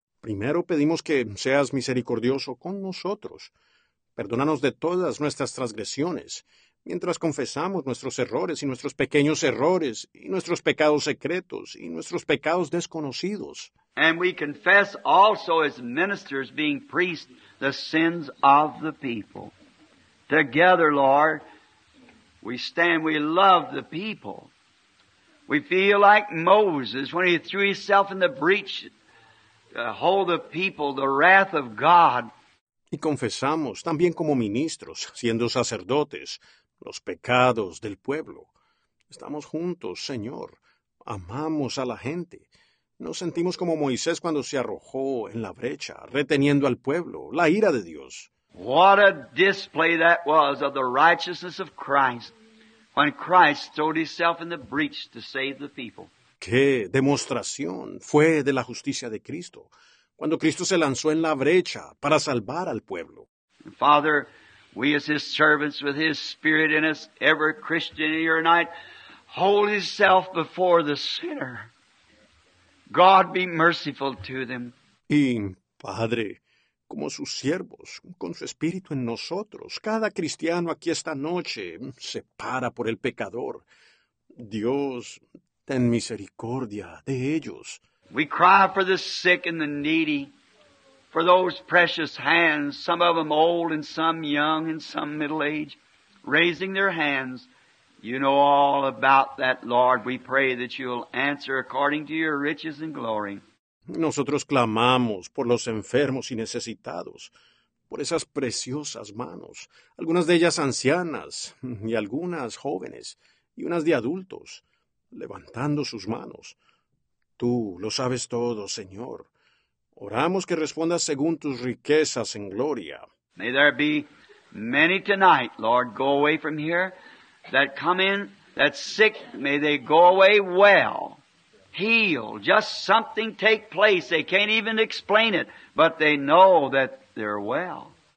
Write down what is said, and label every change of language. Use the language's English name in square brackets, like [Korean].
[Spanish] Primero pedimos que seas misericordioso con nosotros. Perdónanos de todas nuestras transgresiones, mientras confesamos nuestros errores y nuestros pequeños errores y nuestros pecados secretos y nuestros pecados desconocidos. [English] And we confess also as ministers, being priests, the sins of the people. Together, Lord, we stand, we love the people. We feel like Moses when he threw himself in the breach to hold the people, the wrath of God. [Spanish] Y confesamos también como ministros, siendo sacerdotes, los pecados del pueblo. Estamos juntos, Señor. Amamos a la gente. Nos sentimos como Moisés cuando se arrojó en la brecha, reteniendo al pueblo, la ira de Dios. [English] What a display that was of the righteousness of Christ when Christ threw himself in the breach to save the people. [Spanish] ¡Qué demostración fue de la justicia de Cristo cuando Cristo se lanzó en la brecha para salvar al pueblo! [English] Father, We as His servants with His Spirit in us, ever Christian in your night, hold Himself before the sinner. God be merciful to them. [Spanish] Y, Padre, como sus siervos, con su Espíritu en nosotros, cada cristiano aquí esta noche se para por el pecador. Dios, ten misericordia de ellos. [English] We cry for the sick and the needy, for those precious hands, some of them old and some young and some middle-aged, raising their hands. You know all about that, Lord. We pray that you'll answer according to your riches and glory. [Spanish] Nosotros clamamos por los enfermos y necesitados, por esas preciosas manos, algunas de ellas ancianas y algunas jóvenes y unas de adultos, levantando sus manos. Tú lo sabes todo, Señor. Oramos que respondas según tus riquezas en gloria. [English] May there be many tonight, Lord, go away from here, that come in, that sick, may they go away well, healed. Just something take place. They can't even explain it, but they know that they're well.